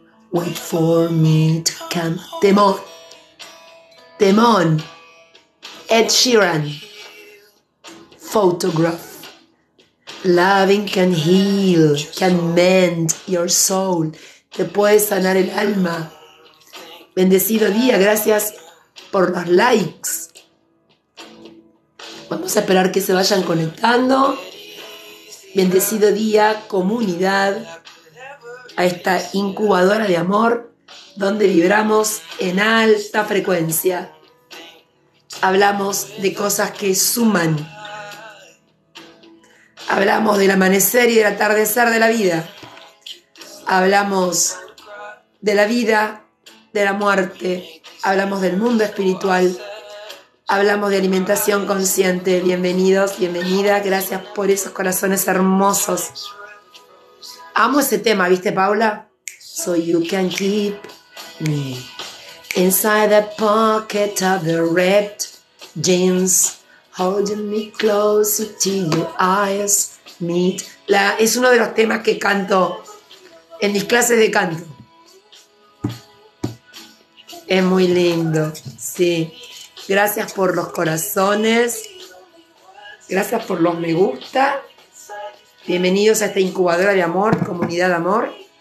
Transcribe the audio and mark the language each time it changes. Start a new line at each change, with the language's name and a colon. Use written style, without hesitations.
English: Wait for me to come. Temón. Temón. Ed Sheeran. Photograph. Loving can heal, can mend your soul.
Spanish: Te puede sanar el alma. Bendecido día, gracias por los likes. Vamos a esperar que se vayan conectando. Bendecido día, comunidad, a esta incubadora de amor donde vibramos en alta frecuencia. Hablamos de cosas que suman. Hablamos del amanecer y del atardecer de la vida. Hablamos de la vida, de la muerte. Hablamos del mundo espiritual. Hablamos de alimentación consciente. Bienvenidos, bienvenida. Gracias por esos corazones hermosos. Amo ese tema, ¿viste, Paula?
English: So you can keep me inside the pocket of the ripped jeans. Holding me close till your eyes meet.
Spanish: Es uno de los temas que canto en mis clases de canto. Es muy lindo, sí. Gracias por los corazones. Gracias por los me gusta. Bienvenidos a esta incubadora de amor, comunidad de amor.